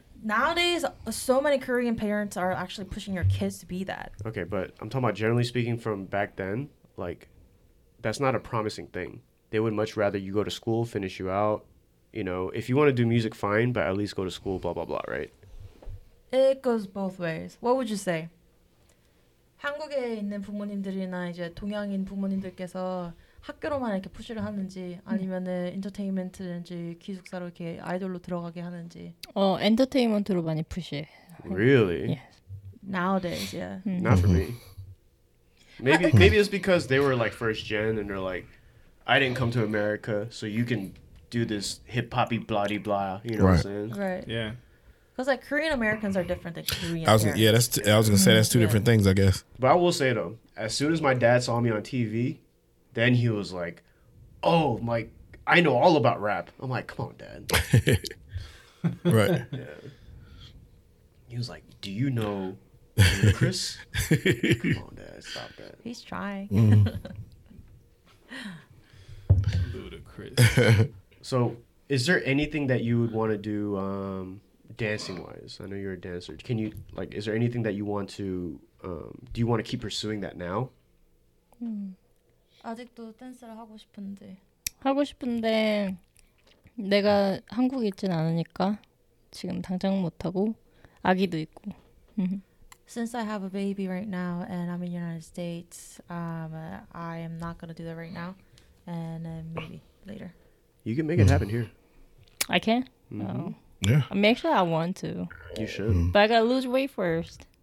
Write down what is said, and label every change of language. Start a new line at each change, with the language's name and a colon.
English: nowadays, so many Korean parents are actually pushing your kids to be that. Okay, but I'm talking about generally speaking from back then. Like, that's not a promising thing. They would much rather you go to school, finish you out. You know, if you want to do music, fine, but at least go to school. Blah blah blah. Right? It goes both ways. What would you say?
Korean: 한국에 있는 부모님들이나 이제 동양인 부모님들께서 학교로만 이렇게 푸시를 하는지 아니면은 엔터테인먼트든지 기숙사로 이렇게 아이돌로 들어가게 하는지. 엔터테인먼트로 많이 푸시.
English: Really? Yes. Nowadays, yeah. Not for me. Maybe it's because they were like first gen and they're like, I didn't come to America, so you can do this hip hoppy blah de blah. You know what I'm saying? Right. Yeah. Because, like, Korean Americans are different than Korean Americans. Yeah, I was going to say that's two different things, I guess. But I will say, though, as soon as my dad saw me on TV, then he was like, oh, my, I know all about rap. I'm like, come on, Dad. Right. Yeah. He was like, do you know Chris? Come on, Dad, stop that. He's trying. Ludacris. So, is there anything that you would want to do? Dancing wise, I know you're a dancer. Can you, like, is there anything that you want to, do you want to keep pursuing that now?
Korean: 아직도 댄스를 하고 싶은데. 하고 싶은데, 내가 한국에 있진 않으니까 지금 당장 못 하고 아기도 있고.
English: Since I have a baby right now and I'm in the United States, I am not going to do that right now and maybe later. You can make it happen here. I can? Yeah. Make sure I want to. You should. But I got to lose weight first.